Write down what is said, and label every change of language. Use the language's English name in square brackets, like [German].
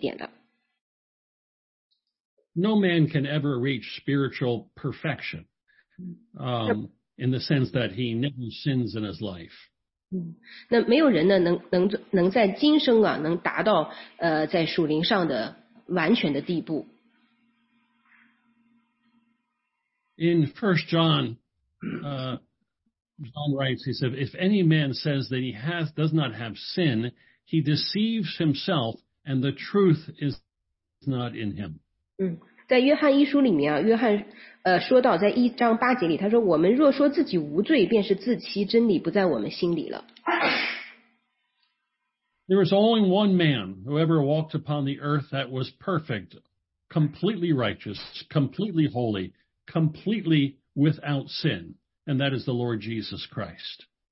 [Chinese] 但是保罗在这里，他这个完全的意思呢，不是我们刚才解释的这个是完全无罪的意思，而是指属灵的成熟度。那时间关系呢，我们现在先告诉大家，这是指属灵的程度。回头呢，我们再会还会回来解释这一点的。 [English] No man can ever reach spiritual perfection, in the sense that he never sins in his life. [Chinese] 那没有人呢能在今生啊能达到在属灵上的完全的地步。 [English] In 1 John, John writes, he said, if any man says that he does not have sin, he deceives himself and the truth is not in him. [Chinese] 在约翰一书里面啊，约翰说到在一章八节里， 他说我们若说自己无罪，便是自欺，真理不在我们心里了。 [English] There was only one man who ever walked upon the earth that was perfect, completely righteous, completely holy, completely without sin, and that is the Lord Jesus Christ.